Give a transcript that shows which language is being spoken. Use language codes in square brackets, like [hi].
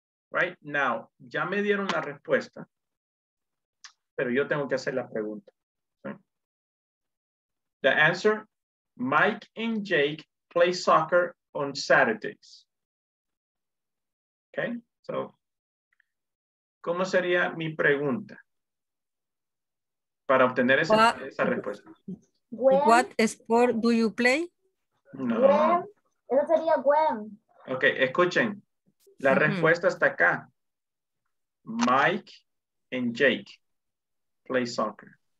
[en] Right now, [es] ya me dieron la respuesta, pero yo tengo que hacer la pregunta. [en] The answer, Mike and Jake play soccer on Saturdays. [es] Okay, so, ¿cómo sería mi pregunta para obtener esa, esa respuesta? [en] What sport do you play? [es] No. Eso sería when. Okay, escuchen. La respuesta está acá. [en] Mike and Jake play soccer.